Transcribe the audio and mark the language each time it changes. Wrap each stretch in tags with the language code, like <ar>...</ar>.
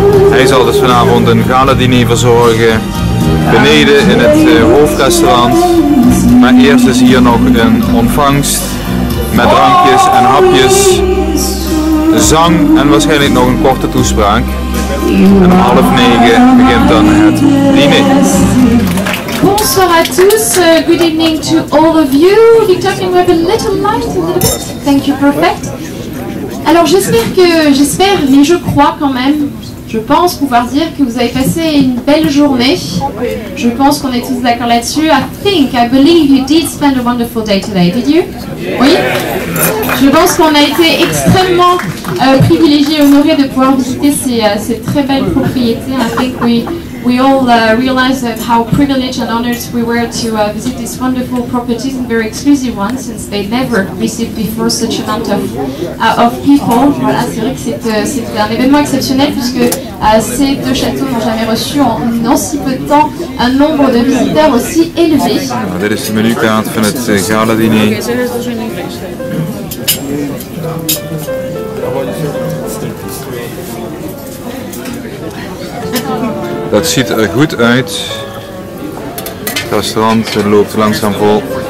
<nl>Hij zal dus vanavond een gala diner verzorgen beneden in het hoofdrestaurant. Maar eerst is hier nog een ontvangst met drankjes en hapjes, zang en waarschijnlijk nog een korte toespraak. En om 8:30 begint dan het diner.</nl> <fr>Bonsoir à tous,</fr> <en>good evening to all of you. Victor, can we have a little light? A little bit? Thank you, perfect.</en> <fr>Alors j'espère, mais je crois quand même, je pense pouvoir dire que vous avez passé une belle journée. Je pense qu'on est tous d'accord là-dessus.</fr> <en>I believe you did spend a wonderful day today, did you?</en> <fr>Oui? Je pense qu'on a été extrêmement privilégié et honoré de pouvoir visiter ces très belles propriétés.</fr> <en>I think we all realized how privileged and honored we were to visit these wonderful properties and very exclusive ones, since they never received before such amount of people.</en> <fr>Voilà, c'est vrai que c'est un événement exceptionnel puisque ces deux châteaux n'ont jamais reçu en aussi peu de temps un nombre de visiteurs aussi élevé.</fr> <nl>Dit is de menukaart van het gala diner. Dat ziet er goed uit. Het restaurant loopt langzaam vol.</nl>